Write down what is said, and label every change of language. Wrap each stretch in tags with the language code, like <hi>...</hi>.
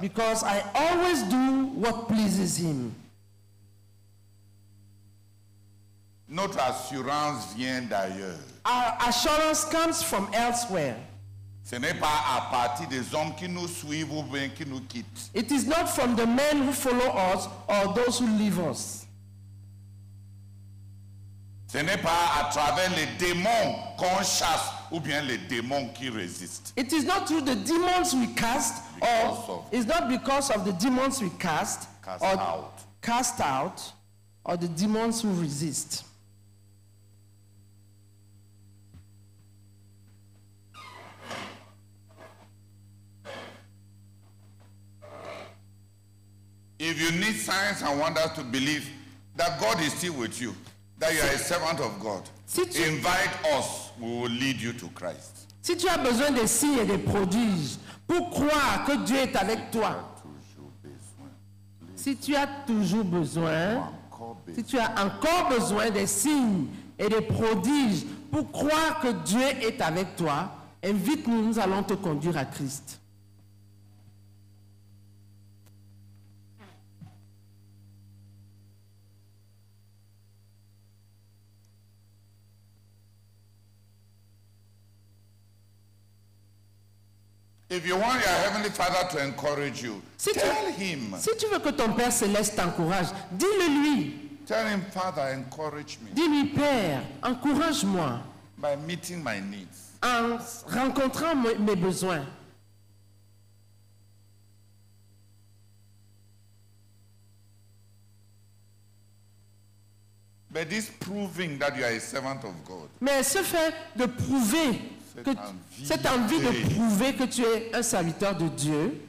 <en>Because I always do what pleases him.</en> <fr>Notre assurance vient d'ailleurs.</fr> <en>Our assurance comes from elsewhere.</en> <fr>Ce n'est pas à partir des hommes qui nous suivent ou bien qui nous quittent.</fr> <en>It is not from the men who follow us or those who leave us.</en> <fr>Ce n'est pas à travers les démons qu'on chasse ou bien les démons qui résistent.</fr> <en>It is not through the demons we cast or the demons who resist. If you need signs and wonders to believe that God is still with you, that you are a servant of God, invite us, we will lead you to Christ.</en> <fr>Si tu as besoin de signes et de prodiges pour croire que Dieu est avec toi, si tu as encore besoin de signes et de prodiges pour croire que Dieu est avec toi, invite-nous, nous allons te conduire à Christ. Et</fr> <en>If you want your heavenly Father to encourage you, tell him.</en> <fr>Si tu veux que ton Père céleste t'encourage, dis-le-lui.</fr> <en>Tell him, Father, encourage me.</en> <fr>Dis-lui, Père, encourage-moi.</fr> <en>By meeting my needs.</en> <fr>En rencontrant mes besoins.</fr> <en>But this proving that you are a servant of God.</en> <fr>Mais ce fait de prouver que cette envie de prouver que tu es un serviteur de Dieu.</fr>